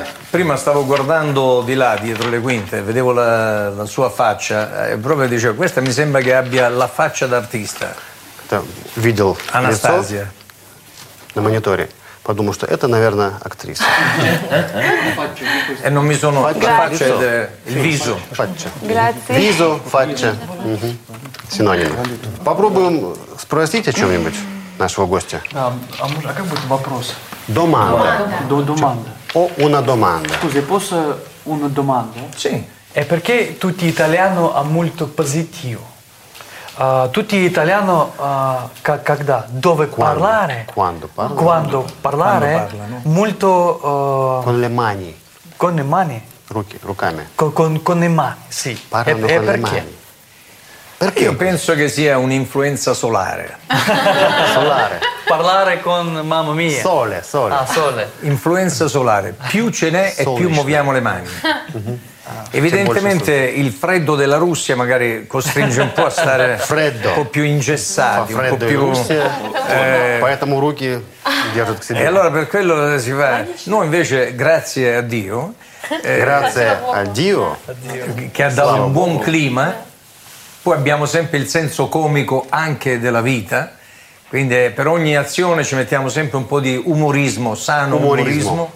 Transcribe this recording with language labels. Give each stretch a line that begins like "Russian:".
Italian: Prima stavo guardando di là, dietro le quinte, vedevo la sua faccia e proprio dicevo, questa mi sembra che abbia la faccia d'artista.
Russian: Видел Анастасия на мониторе. Подумал, что это, наверное, актриса.
Italian: E non mi sono... La faccia è il viso. Faccia. Grazie. Viso, faccia.
Russian: Синонимы. Попробуем спросить о чем-нибудь нашего гостя. А как будет вопрос?
Italian: Domanda. Domanda. O una domanda. Scusi, posso una domanda? Sì. E perché tutti gli italiani ha molto positivo? Tutti gli italiani,
Russian: когда,
Italian: dove quando, parlare? Quando parlano. Quando parlare, molto... con le mani. Con le mani.
Russian: Rucame.
Italian: Con le mani, sì. Parlano con perché? Le mani. Perché? Io penso che sia un'influenza solare. Solare. Parlare con mamma mia. Sole, sole. Ah, sole. Influenza solare. Più ce n'è e più muoviamo le mani. Evidentemente il freddo della Russia magari costringe un po' a stare freddo. Un po' più ingessati. Fa freddo un po' più in Russia.
Russian: Поэтому руки держат к себе.
Italian: E allora per quello si fa. Noi invece, grazie a Dio. Grazie a Dio. Che ha dato un buon clima. Poi abbiamo sempre il senso comico anche della vita, quindi per ogni azione ci mettiamo sempre un po' di umorismo, sano umorismo.